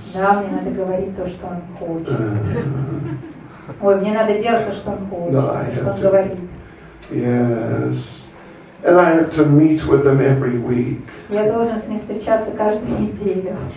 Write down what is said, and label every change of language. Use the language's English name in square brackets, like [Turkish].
[Russian] Да, мне надо говорить то, что он хочет. Ой, мне надо делать то, что он хочет, [English] no, [Russian] что он [English] to... [Russian] говорит. [English] Yes. And I have to meet with them every week. [Russian] Я должен с ним встречаться каждую неделю.